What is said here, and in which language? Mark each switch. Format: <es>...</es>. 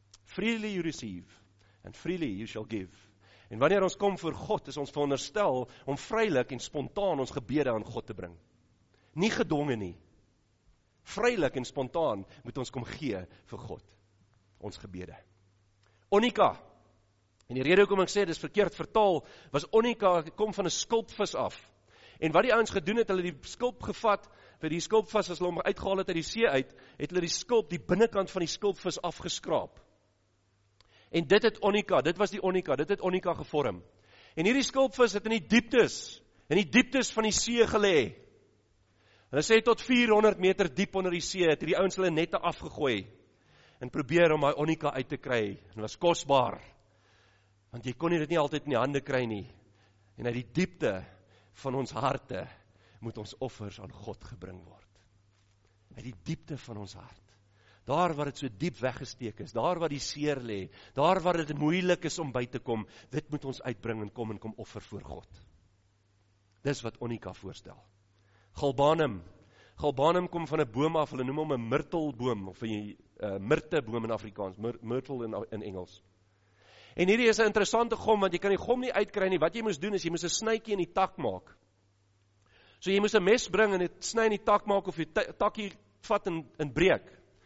<en>Freely you receive, and freely you shall give.</en> <af>En wanneer ons kom voor God, is ons veronderstel om vrylik en spontaan ons gebede aan God te bring. Nie gedwonge nie. Vrylik en spontaan moet ons kom gee vir God. Ons gebede. Onika. En die rede hoekom ek sê, dit is verkeerd vertaal, was Onika kom van 'n skulpvis af. En wat die ouens gedoen het, hulle die skulp gevat, vir die skulpvis as hulle hom uitgehaal het uit die see uit, het hulle die skulp, die binnenkant van die skulpvis afgeskraap. En dit het Onika, dit was die Onika, dit het Onika gevorm. En hierdie skulpvis het in die dieptes van die see gelê. Hulle sê tot 400 meter diep onder die see, het die ouens hulle nette afgegooi, en probeer om hy Onika uit te kry, en was kosbaar. Want jy kon dit nie altyd in die hande kry nie. En uit die diepte van ons harte moet ons offers aan God gebring word. Uit die diepte van ons hart. Daar waar dit so diep weggesteek is. Daar waar die seer lê. Daar waar dit moeilik is om by te kom. Dit moet ons uitbring en kom offer voor God. Dis wat Onika voorstel. Galbanum. Galbanum kom van 'n boom af. Hulle noem hom 'n myrtelboom. Of 'n myrteboom in Afrikaans. Myrtle in Engels. En hierdie is 'n interessante gom, want jy kan die gom nie uitkry nie. Wat jy moes doen is, jy moes 'n snytjie in die tak maak. So jy moes 'n mes bring en het sny in die tak maak, of die takkie vat en breek.</af>